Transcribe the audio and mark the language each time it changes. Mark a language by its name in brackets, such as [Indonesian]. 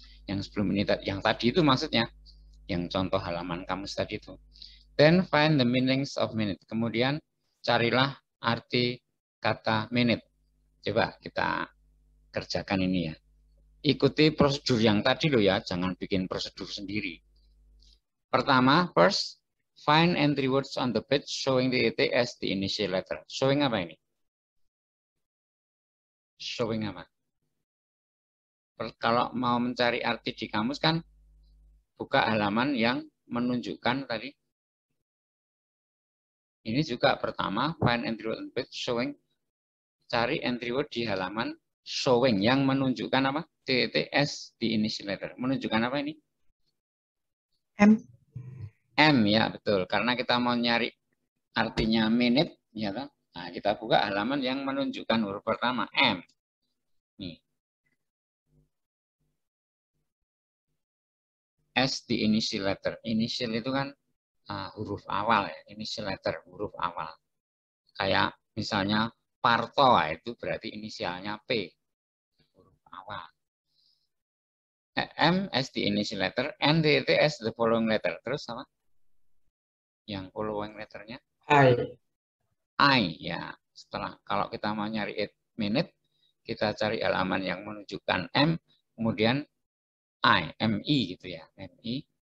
[Indonesian] Yang sebelum ini, yang tadi itu maksudnya, yang contoh halaman kamus tadi itu. [English] Then find the meanings of minute. [Indonesian] Kemudian carilah arti kata minute. Coba kita kerjakan ini ya. Ikuti prosedur yang tadi loh ya, jangan bikin prosedur sendiri. [English] Pertama, first, find entry words on the page showing the titik as the initial letter. [Indonesian] Showing apa ini? Showing apa? Kalau mau mencari arti di kamus kan, buka halaman yang menunjukkan tadi. Ini juga pertama, [English] find entry word on the page showing. [Indonesian] Cari entry word di halaman showing yang menunjukkan apa? Titik [English] as the initial letter. [Indonesian] Menunjukkan apa ini? M. M ya betul, karena kita mau nyari artinya minute ya kan? Nah, kita buka halaman yang menunjukkan huruf pertama M. [English] Nih. S the initial letter. [Indonesian] Initial itu kan huruf awal ya, initial letter huruf awal. Kayak misalnya Parto itu berarti inisialnya P. Huruf awal. [English] M as the initial letter, N the T as the following letter. [Indonesian] Terus sama? Yang following letternya I ya. Setelah kalau kita mau nyari it minute, kita cari halaman yang menunjukkan M, kemudian I, M E gitu ya, M E.